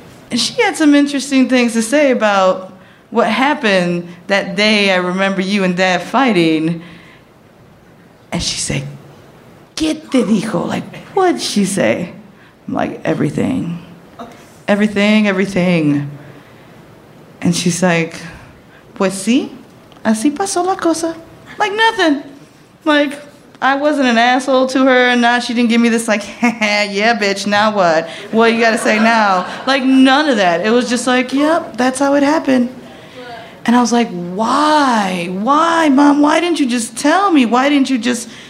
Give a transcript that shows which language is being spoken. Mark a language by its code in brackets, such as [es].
[en] And she had some interesting things to say about what happened that day I remember you and Dad fighting. And she said, [es] ¿qué te dijo? [en] Like, what'd she say? I'm like, everything. Everything, everything. And she's like, [es] pues sí, así pasó la cosa. [en] Like, nothing. Like, I wasn't an asshole to her, and now she didn't give me this, like, yeah, bitch, now what? What you gotta say now? Like, none of that. It was just like, yep, that's how it happened. And I was like, why? Why, mom? Why didn't you just tell me? Why didn't you just...